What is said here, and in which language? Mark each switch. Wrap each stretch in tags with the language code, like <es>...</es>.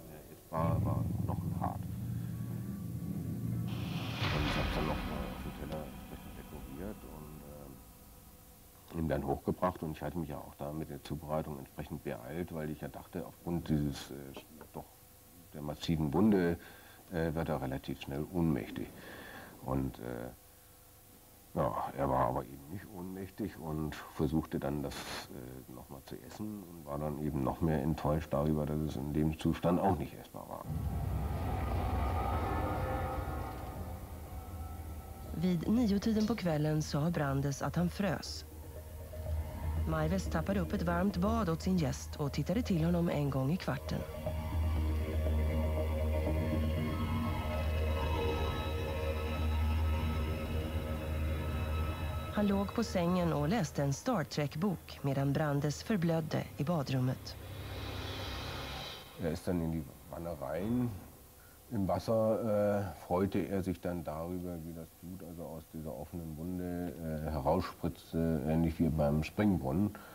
<de>Es war noch hart. Und ich habe es dann nochmal auf dem Teller dekoriert und ihn dann hochgebracht und ich hatte mich ja auch da mit der Zubereitung entsprechend beeilt, weil ich ja dachte, aufgrund dieses doch der massiven Wunde wird er relativ schnell ohnmächtig. Und ja, er war aber eben nicht ohnmächtig und versuchte dann das nochmal zu essen und war dann eben noch mehr enttäuscht darüber, dass es in dem Zustand auch nicht essbar war.</de> <sv>Vid 9-tiden på kvällen sa Brandes att han frös. Maivis tappade upp ett varmt bad åt sin gäst och tittade till honom en gång i kvarten. Han låg på sängen och läste en Star Trek-bok medan Brandes förblödde i badrummet.</sv> <de>Er ist dann in die Wanne rein. Im Wasser freute er sich dann darüber, wie das Blut also aus dieser offenen Wunde herausspritzte, ähnlich wie beim Springbrunnen.</de>